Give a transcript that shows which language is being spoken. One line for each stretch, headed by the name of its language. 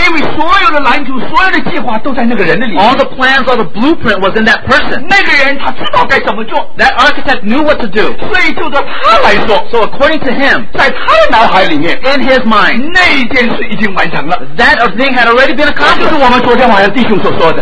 Chinese: 因为所有的蓝图、所有的计划都在那个人的里面。
English: All the plans, all the blueprint was in that person.
Chinese: 那个人他知道该怎么做。
English: That architect knew what to do.
Chinese: 所以就对他来说
English: ，So according to him，
Chinese: 在他的脑海里面
English: ，In his mind，
Chinese: 那一件事已经完成了。
English: That thing had already been accomplished.
Chinese: 就是我们昨天晚上弟兄所说的。